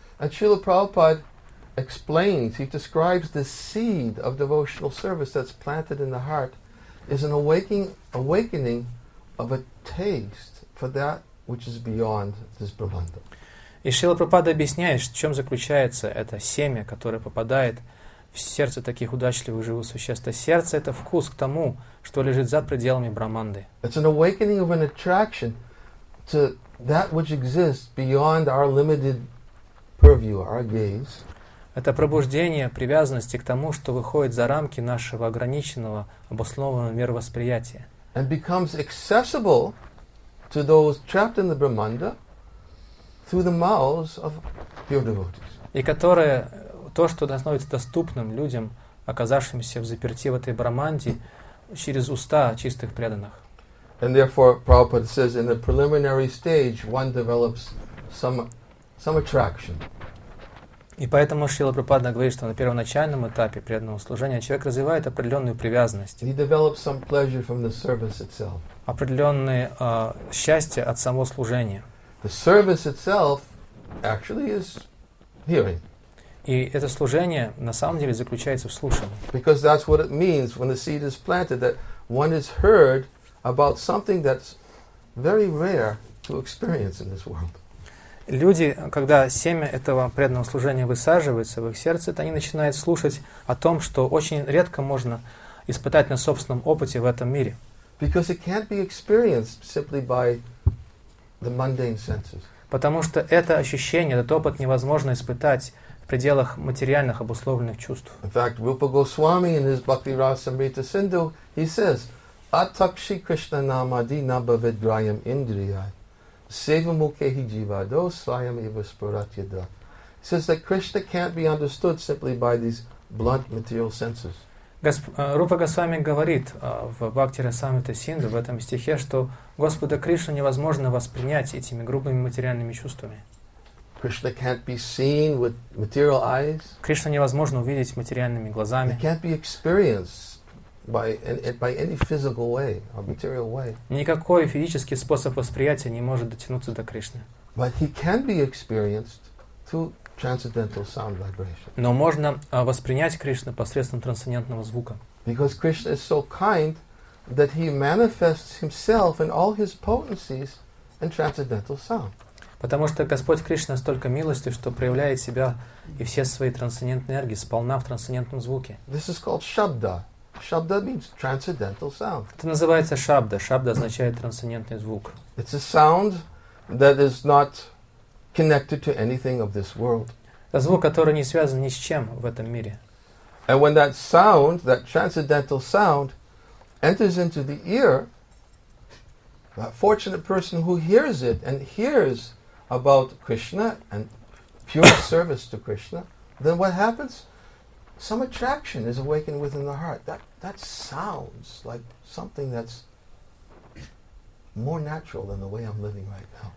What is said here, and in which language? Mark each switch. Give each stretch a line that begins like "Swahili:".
English: And Srila Prabhupada explains, he describes the seed of devotional service that's planted in the heart is an awakening of a taste for that which is beyond this Brahmanda.
Russian: И Шрила Прабхупада объясняет, в чем заключается это семя, которое попадает в сердце таких удачливых живых существ. Сердце — это вкус к тому, что лежит за пределами Брахманды.
English: It's an awakening of an attraction to that which exists beyond our limited purview, our gaze.
Russian: Это пробуждение привязанности к тому, что выходит за рамки нашего ограниченного, обоснованного мировосприятия.
English: And becomes accessible to those trapped in the Brahmanda through the mouths of pure devotees.
Russian: И которое, то, что становится доступным людям, оказавшимся в заперти в этой Брахманде, через уста чистых преданных.
English: And therefore, Prabhupada says, in the preliminary stage, one develops some attraction.
Russian: И поэтому Шрила Прабхупада говорит, что на первоначальном этапе преданного служения человек развивает определенную привязанность.
English: He develops some pleasure from the service itself.
Russian: Определенное счастье от самого служения.
English: The service itself actually is hearing.
Russian: И это служение на самом деле заключается в слушании.
English: Because that's what it means when the seed is planted, that one is heard about something that's very rare to experience in this world.
Russian: Люди, когда семя этого преданного служения высаживается в их сердце, то они начинают слушать о том, что очень редко можно испытать на собственном опыте в этом мире.
English: Because it can't be experienced simply by the mundane senses.
Russian: Потому что это ощущение, этот опыт невозможно испытать в пределах материальных обусловленных чувств.
English: In fact, Rupa Goswami in his Bhakti Rasamrita Sindhu, he says,
Sanskrit: Atakshi Krishna Namadi Nabhavidrayam Indriyai. Sevamukehi jivado swayam eva spuratyada.
English: He says that Krishna can't be understood simply by these blunt material senses.
Russian: Rupa Goswami говорит в Бхакти Расамрита Синдху в этом стихе, что Господа Кришну невозможно воспринять этими грубыми материальными чувствами.
English: Krishna can't be seen with material eyes.
Russian: Кришна невозможно увидеть материальными глазами.
English: He can't be experienced by any physical way or material way.
Russian: Никакой физический способ восприятия не может дотянуться до Кришны.
English: But he can be experienced through transcendental sound vibration.
Russian: Но можно воспринять Кришну посредством трансцендентного звука.
English: Because Krishna is so kind that he manifests himself in all his potencies in transcendental sound.
Russian: Потому что Господь Кришна настолько милостив, что проявляет себя и все свои трансцендентные энергии сполна в трансцендентном звуке.
English: This is called shabda. Shabda means transcendental sound.
Russian: Это называется шабда. Шабда означает трансцендентный звук.
English: It's a sound that is not connected to anything of this world.
Russian: Это звук, который не связан ни с чем в этом мире.
English: And when that sound, that transcendental sound, enters into the ear, that fortunate person who hears it and hears about Krishna and pure service to Krishna, then what happens? Some attraction is awakened within the heart. That sounds like something that's more natural than the way I'm living right now.